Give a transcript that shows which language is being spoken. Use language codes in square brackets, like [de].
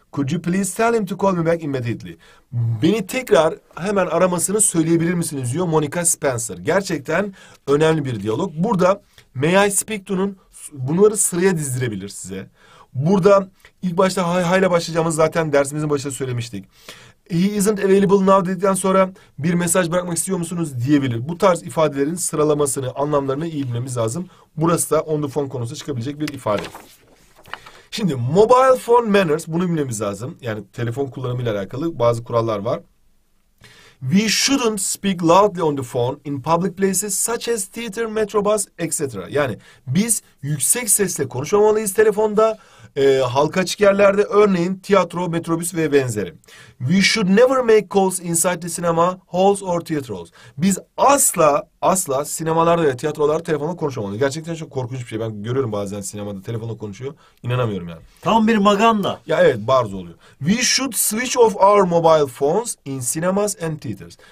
[en] Could you please tell him to call me back immediately? [tr] Beni tekrar hemen aramasını söyleyebilir misiniz diyor Monica Spencer. Gerçekten önemli bir diyalog. Burada may I speak to'nun bunları sıraya dizdirebilir size. Burada ilk başta hayla başlayacağımız zaten dersimizin başında söylemiştik. [en] He isn't available now [tr] dedikten sonra bir mesaj bırakmak istiyor musunuz diyebilir. Bu tarz ifadelerin sıralamasını, anlamlarını iyi bilmemiz lazım. Burası da on the phone konusu çıkabilecek bir ifade. Şimdi mobile phone manners, bunu bilmemiz lazım. Yani telefon kullanımıyla alakalı bazı kurallar var. [en] We shouldn't speak loudly on the phone in public places such as theater, metrobus, etc. [tr] Yani biz yüksek sesle konuşmamalıyız telefonda, halka açık yerlerde, örneğin tiyatro, metrobüs ve benzeri. [en] We should never make calls inside the cinema halls or theater halls. [tr] Biz asla sinemalarda ya tiyatrolarda telefonla konuşmamalıyız. Gerçekten çok korkunç bir şey. Ben görüyorum bazen sinemada telefonla konuşuyor. İnanamıyorum yani. Tam bir maganda. Ya evet, barz oluyor. [en] We should switch off our mobile phones in cinemas and theaters.